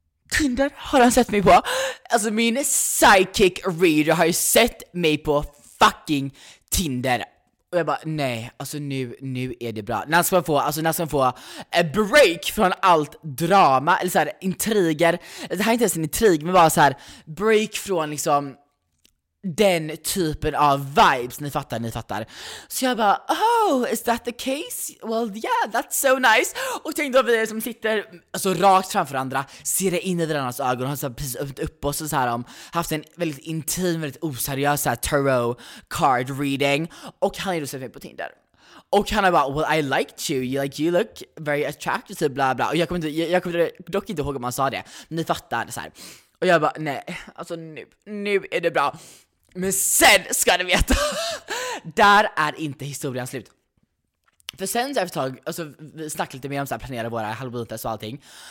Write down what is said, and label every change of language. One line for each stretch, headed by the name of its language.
Swedish: Tinder har han sett mig på. Alltså min psychic reader har ju sett mig på fucking Tinder. Och jag bara, nej, alltså nu är det bra. När ska man få, alltså när ska man få en break från allt drama eller så här intriger. Det här är inte ens en intrig, men bara så här break från liksom den typen av vibes, ni fattar. Så jag bara,
English: oh, is that the case? Well, yeah, that's so nice.
Swedish: Och tänk då vi som sitter alltså rakt framför andra, ser det in i varandras ögon och har så här precis öppnat upp oss och så här, haft en väldigt intim, väldigt oseriös så här tarot card reading. Och han är då så fin på Tinder. Och han är bara,
English: well, I liked you. Like, you look very attractive, bla bla.
Swedish: Och jag kommer dock inte ihåg om han sa det. Ni fattar, så här. Och jag bara, nej, alltså nu är det bra. Men sen ska du veta, där är inte historien slut. För sen så efter ett tag, alltså vi snackar lite mer om så här, planera våra halloweenfest och allting.